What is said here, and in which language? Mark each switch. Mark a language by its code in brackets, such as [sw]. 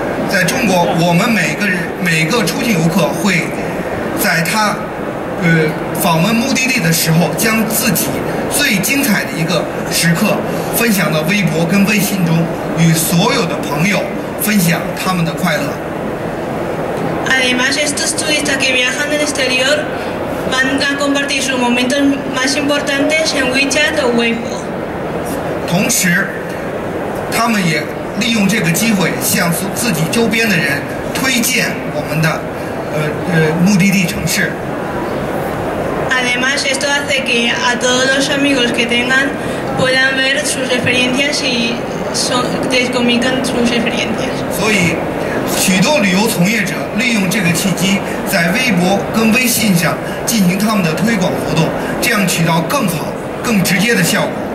[zh] 在中国，我们每个出境游客会在他访问目的地的时候，将自己最精彩的一个时刻分享到微博跟微信中，与所有的朋友分享他们的快乐。 [es] Además, estos turistas que viajan en el exterior van a compartir sus momentos más importantes en WeChat o Weibo. [zh] 同时，他们也利用这个机会向自己周边的人推荐我们的目的地城市。 [es] Además, esto hace que a todos los amigos que tengan puedan ver sus experiencias y descomunican sus experiencias. [zh] 所以，许多旅游从业者利用这个契机，在微博跟微信上进行他们的推广活动，这样起到更好、更直接的效果。